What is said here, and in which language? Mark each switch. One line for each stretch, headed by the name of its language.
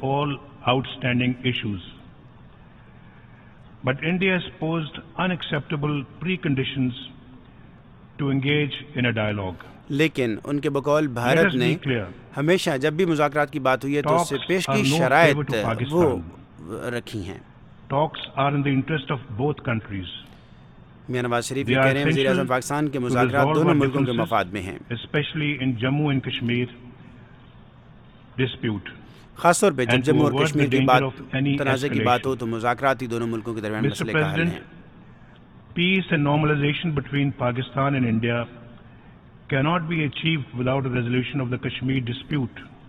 English: All out standing issues. But India has posed unacceptable preconditions to engage in a dialogue.
Urdu: لیکن ان کے بقول بھارت نے ہمیشہ جب بھی مذاکرات کی بات ہوئی ہے تو اس سے پیش کی شرائط وہ رکھی ہیں.
English: Talks are in the interest of both countries.
Urdu: Mian Nawaz Sharif یہ کہہ رہے ہیں وزیر اعظم پاکستان کے مذاکرات دونوں ملکوں کے مفاد میں ہیں.
English: Especially in Jammu and Kashmir dispute.
Urdu: خاص طور پہ جب جموں اور کشمیر کی بات تنازع کی بات ہو تو مذاکرات ہی دونوں ملکوں کے درمیان مسئلے کا حل ہے.
English: Peace and normalization between Pakistan and India can not be achieved without a resolution of the Kashmir dispute.